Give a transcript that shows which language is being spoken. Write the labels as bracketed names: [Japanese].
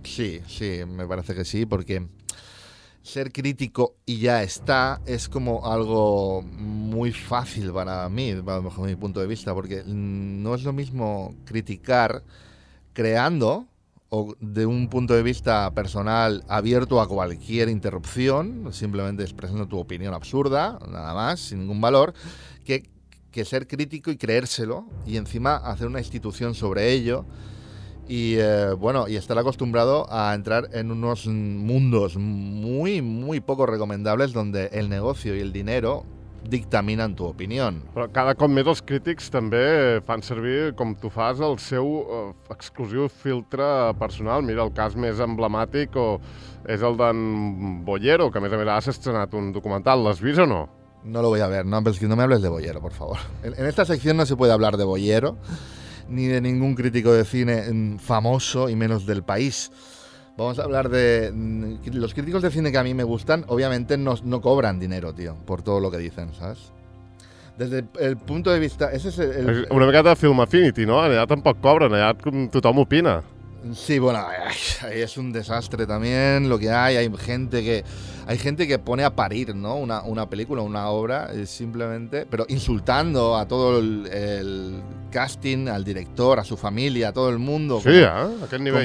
[Spanish] Sí, me parece que sí, porque ser crítico y ya está es como algo muy fácil para mí, bajo mi punto de vista, porque no es lo mismo criticar creando o de un punto de vista personal abierto a cualquier interrupción, simplemente expresando tu opinión absurda, nada más, sin ningún valor, que ser crítico y creérselo y encima hacer una institución sobre ello. Y bueno, y estar acostumbrado a entrar en unos mundos muy, muy poco recomendables donde el negocio y el dinero dictaminen tu opinión. [Catalan] Però cada cop més els crítics també fan servir, com tu fas, el seu exclusiu filtre personal. Mira, el cas més emblemàtic és el d'en Boyero, que a més a més ha estrenat un documental. L'has vist o no? [Spanish] No lo voy a ver, no, pero es que no me hables de Boyero, por favor. En esta sección no se puede hablar de Boyero ni de ningún crítico de cine famoso y menos del país. Vamos a hablar de los críticos de cine que a mí me gustan. Obviamente no cobran dinero, tío, por todo lo que dicen, ¿sabes? Desde el punto de vista... Ese es el [Catalan] una mica de Film Affinity, ¿no? Allà tampoc cobren, allà tothom opina. [Spanish] Sí, bueno, ahí es un desastre también lo que hay. Hay gente que pone a parir, ¿no? Una película, una obra, simplemente, pero insultando a todo el casting, al director, a su familia, a todo el mundo. Sí, como, ¿a qué nivel?